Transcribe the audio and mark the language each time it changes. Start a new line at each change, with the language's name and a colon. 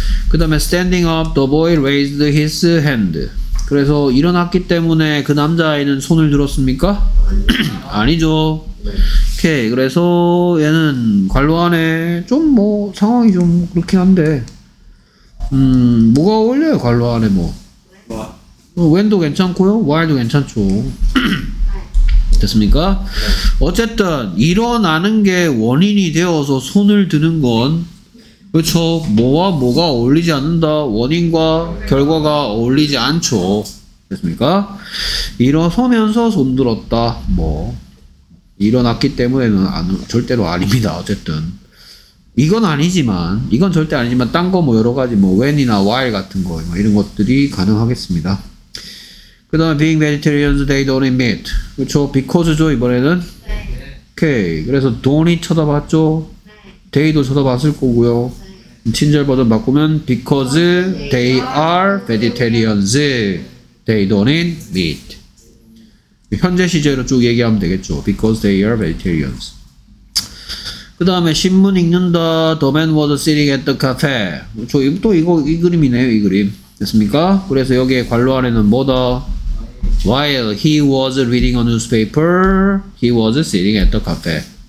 Korean: 그 다음에
English: standing up, the boy raised his hand.
Korean: 그래서 일어났기 때문에 그 남자아이는 손을 들었습니까? 아니죠. 오케이. 그래서 얘는 관로 안에 좀 뭐 상황이 좀 그렇긴 한데 뭐가 어울려요 관로 안에 뭐 when도 괜찮고요 while도 괜찮죠. 됐습니까? 어쨌든 일어나는 게 원인이 되어서 손을 드는 건 그렇죠. 뭐와 뭐가 어울리지 않는다. 원인과 결과가 어울리지 않죠. 됐습니까? 일어서면서 손 들었다. 뭐 일어났기 때문에는 절대로 아닙니다. 어쨌든 이건 아니지만 이건 절대 아니지만 딴 거 뭐 여러 가지 뭐 when이나 while 같은 거 뭐 이런 것들이 가능하겠습니다. 그 다음에
English: being vegetarians they don't eat meat.
Korean: 그렇죠. because죠 이번에는. 네. 오케이. 그래서 don't이 쳐다봤죠. 네. they도 쳐다봤을 거고요. 네. 친절 버전 바꾸면
English: because they are vegetarians they don't eat meat.
Korean: 현재 시제로 쭉 얘기하면 되겠죠.
English: Because they are vegetarians.
Korean: 그 다음에 신문 읽는다.
English: The man was sitting at the cafe.
Korean: 저 또 이거 이 그림이네요. 이 그림. 됐습니까? 그래서 여기에 관로 안에는 뭐다?
English: While he was reading a newspaper, he was sitting at the cafe.